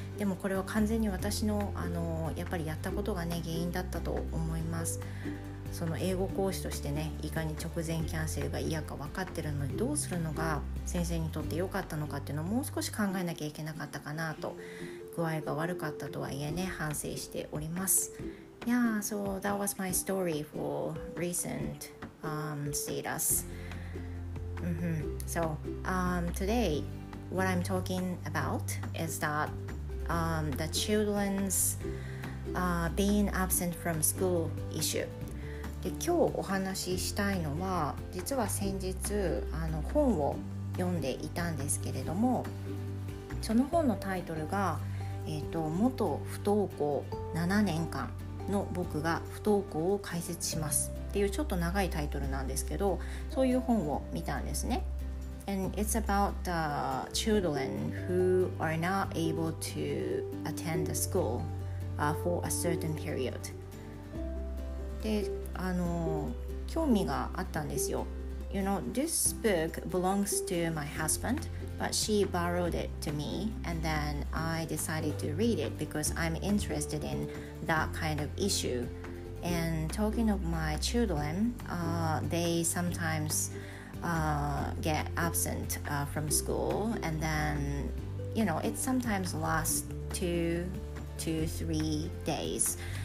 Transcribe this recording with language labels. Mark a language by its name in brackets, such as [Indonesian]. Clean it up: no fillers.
[Japanese] でもこれは完全に私のやっぱりやったことがね原因だったと思います。その英語講師としてね、いかに直前キャンセルが嫌か分かってるのに、どうするのが先生にとって良かったのかっていうのをもう少し考えなきゃいけなかったかなと、具合が悪かったとはいえね、反省しております。 [English] Yeah, so that was my story for recent status. Mm-hmm. So, today, what I'm talking about is that the children's being absent from school issue. [Japanese] で、今日お話ししたいのは、実は先日本を読んでいたんですけれども、その本のタイトルが元不登校7年間の僕が不登校を解説しますっていうちょっと長いタイトルなんですけど、そういう本を見たんですね。 [English] And it's about the children who are not able to attend the school for a certain period. [Japanese] で、興味があったんですよ。 [English] You know, this book belongs to my husbandBut she borrowed it to me, and then I decided to read it because I'm interested in that kind of issue. And talking of my children, they sometimes get absent from school, and then, you know, it sometimes lasts two, three days.